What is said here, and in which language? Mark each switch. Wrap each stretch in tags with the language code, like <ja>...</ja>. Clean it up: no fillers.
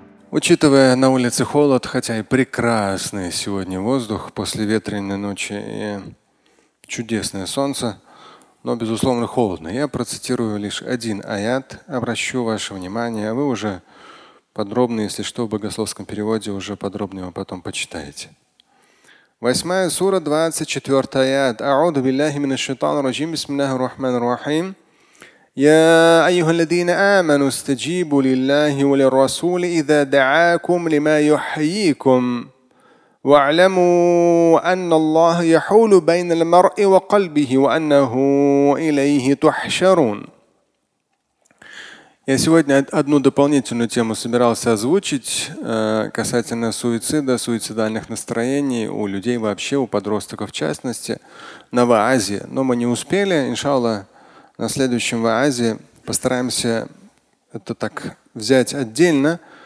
<ru>Учитывая на улице холод, хотя и прекрасный сегодня воздух после ветреной ночи и чудесное солнце, но, безусловно, холодно. Я процитирую лишь один аят, обращу ваше внимание, а вы уже подробно, если что, в богословском переводе уже подробно его потом почитаете. Восьмая сура, 24 аят.</ru> <ar>أعوذ بالله من الشيطان الرجيم بسم الله الرحمن الرحيم يا أيها الذين آمنوا استجيبوا لله وللرسول إذا دعاكم لما يحييكم واعلموا أن الله يحول بين المرء وقلبه وأنه إليه تحشرون.</ar> <ru>Я сегодня одну дополнительную тему собирался озвучить касательно суицида, суицидальных настроений у людей вообще, у подростков в частности, на ВААЗе. Но мы не успели. Иншалла, на следующем ВААЗе постараемся это так взять отдельно.</ru>